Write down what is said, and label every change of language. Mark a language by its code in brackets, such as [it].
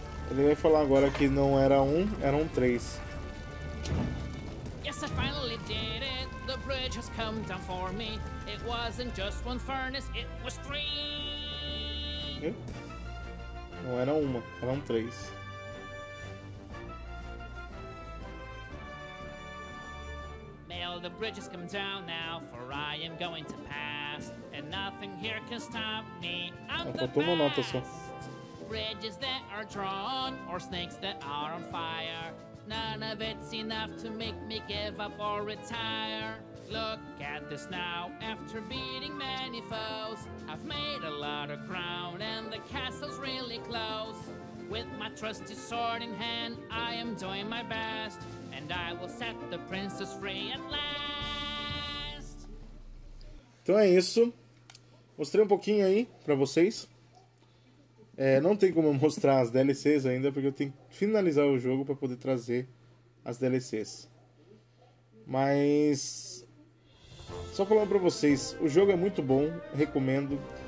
[pt] Ele vai falar agora que não era um, era um três. [en] Yes, I finally did it. The bridge has come down for me. It wasn't just one furnace, it was three. [pt] Não era uma, era um três. [en] The bridge has come down now, for I am going to pass, and nothing here can stop me. I'm the best. Bridges that are drawn, or snakes that are on fire, none of it's enough to make me give up or retire. Look at this now, after beating many foes, I've made a lot of ground, and the castle's really close. With my trusty sword in hand, I am doing my best. And I will set the princess free at last. [pt] Então é isso. Mostrei um pouquinho aí pra vocês. É, não tem como eu mostrar as DLCs ainda, porque eu tenho que finalizar o jogo para poder trazer as DLCs. Mas só falando pra vocês, o jogo é muito bom, recomendo.